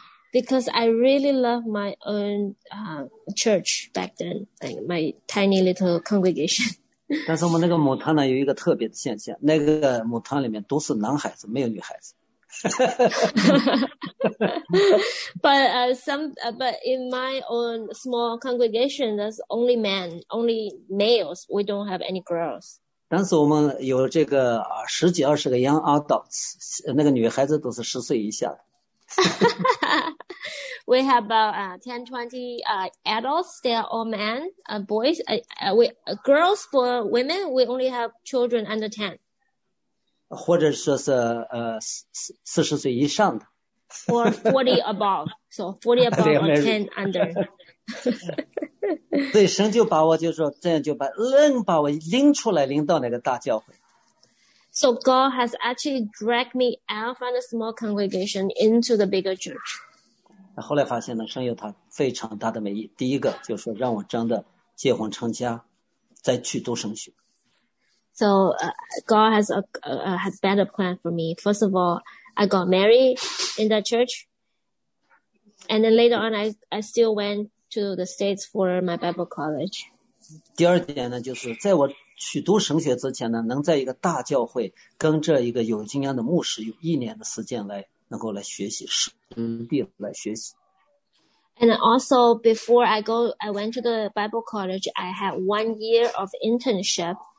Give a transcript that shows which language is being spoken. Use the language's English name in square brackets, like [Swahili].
[English] Because I really love my own church back then, like my tiny little congregation. [Chinese] 但是我们那个母堂呢，有一个特别的现象，那个母堂里面都是男孩子，没有女孩子。 [English] but in my own small congregation, there's only men, only males. We don't have any girls. [Chinese] 当时我们有这个十几二十个 [English] young adults, [Chinese] 那个女孩子都是十岁以下的。 [English] We have about 10-20 adults. They are all men, boys. Girls for women, we only have children under 10. [Chinese] 或者说是40岁以上的 [English] or 40 above so 40 above or 10 under [Chinese] 所以神就把我就说这样就把我拎出来拎到那个大教会 [English] so God has actually dragged me out from the small congregation into the bigger church [Chinese] 后来发现呢神有他非常大的美意第一个就是让我真的结婚成家再去读神学 [English] So God has a better plan for me. First of all, I got married in that church. And then later on, I still went to the States for my Bible college. [Chinese] 第二点呢，就是在我去读神学之前呢，能在一个大教会跟着一个有经验的牧师有一年的时间来能够来学习，实地来学习。 [English] And also, before I went to the Bible college, I had 1 year of internship.